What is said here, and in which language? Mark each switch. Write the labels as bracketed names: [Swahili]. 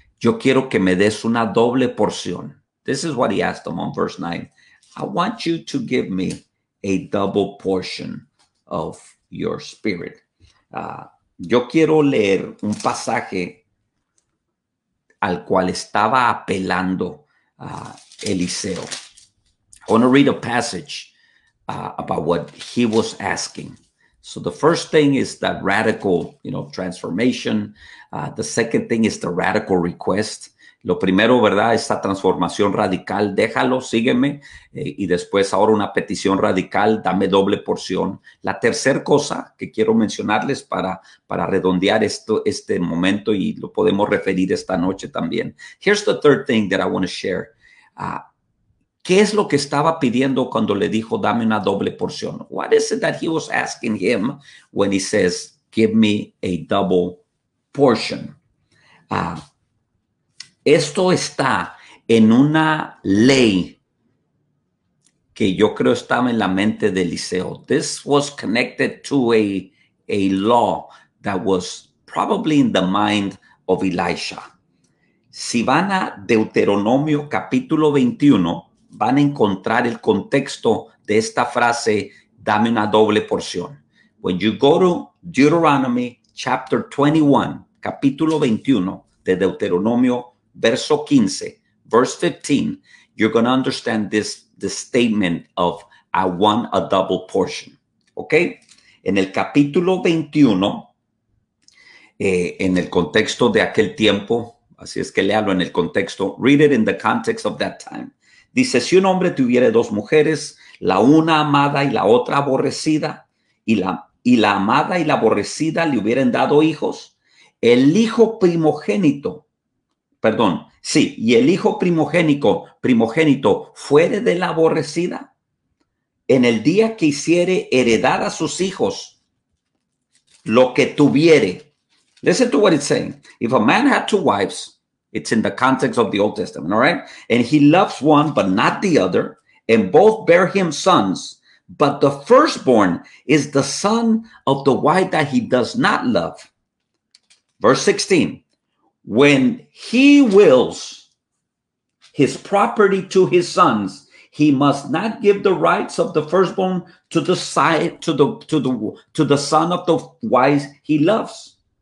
[Spanish] Yo quiero que me des una doble porción. [English] This is what he asked him on verse 9. I want you to give me a double portion of your spirit. [Spanish] Yo quiero leer un pasaje al cual estaba apelando Eliseo. [English] I want to read a passage about what he was asking. So the first thing is that radical, transformation. The second thing is the radical request. [Spanish] Lo primero, ¿verdad? Esta transformación radical, déjalo, sígueme. Y después ahora una petición radical, dame doble porción. La tercera cosa que quiero mencionarles para redondear este momento y lo podemos referir esta noche también. [English] Here's the third thing that I want to share. [Spanish] ¿Qué es lo que estaba pidiendo cuando le dijo dame una doble porción? [English] What is it that he was asking him when he says, give me a double portion? [Spanish] Esto está en una ley que yo creo estaba en la mente de Eliseo. [English] This was connected to a law that was probably in the mind of Elisha. [Spanish] Si van a Deuteronomio capítulo 21, van a encontrar el contexto de esta frase, dame una doble porción. [English] when you go to Deuteronomy chapter 21, [Spanish] capítulo 21 de Deuteronomio, [English] verso 15, verse 15, you're going to understand this statement of I want a double portion. [Spanish] Okay? En el capítulo 21, en el contexto de aquel tiempo, así es que léalo en el contexto, [English] read it in the context of that time. [Spanish] Dice, si un hombre tuviera dos mujeres, la una amada y la otra aborrecida, y la amada y la aborrecida le hubieran dado hijos, el hijo primogénito fuere de la aborrecida, en el día que hiciere heredar a sus hijos lo que tuviere. [English] Listen to what it's saying. If a man had two wives, it's in the context of the Old Testament, all right? And he loves one, but not the other, and both bear him sons, but the firstborn is the son of the wife that he does not love. Verse 16, when he wills his property to his sons, he must not give the rights of the firstborn to the son of the wife he loves.